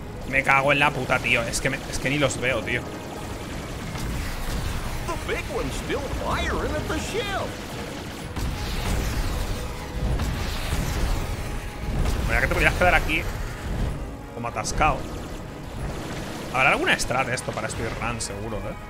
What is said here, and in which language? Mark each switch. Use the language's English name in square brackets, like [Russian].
[Spanish] Vale, ya. Me cago en la puta, tío. Es que, es que ni los veo, tío. [English] The big one's still firing at the ship. [Spanish] Mira que te podrías quedar aquí como atascado. Habrá alguna strat esto para speedrun, seguro, ¿eh?